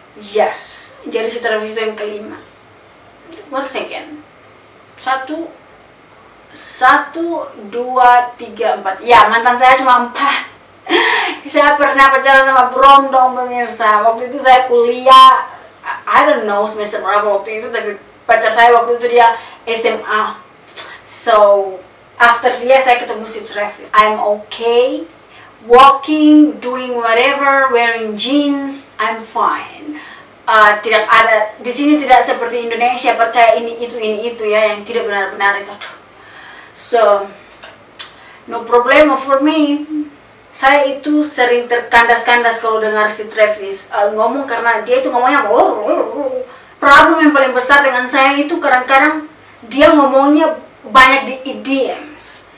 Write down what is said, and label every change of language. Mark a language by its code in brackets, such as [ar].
[id] Yes, jadi si Travis itu yang kelima. [en] One second, 1, 2, 3, 4. [id] Ya, mantan saya cuma 4. Saya pernah pacaran sama Brom dong, pemirsa. Waktu itu saya kuliah, [en] I don't know [id] semester berapa waktu itu, tapi pacar saya waktu itu dia SMA. [en] So, after [id] dia saya ketemu si Travis. [en] I'm okay, walking, doing whatever, wearing jeans, I'm fine. [id] Tidak ada, di sini tidak seperti Indonesia, percaya ini itu ya, yang tidak benar-benar itu. [en] So, no problem for me. [id] saya itu sering terkandas-kandas kalau dengar si Travis ngomong, karena dia itu ngomongnya problem yang paling besar dengan saya itu kadang-kadang dia ngomongnya banyak di idioms.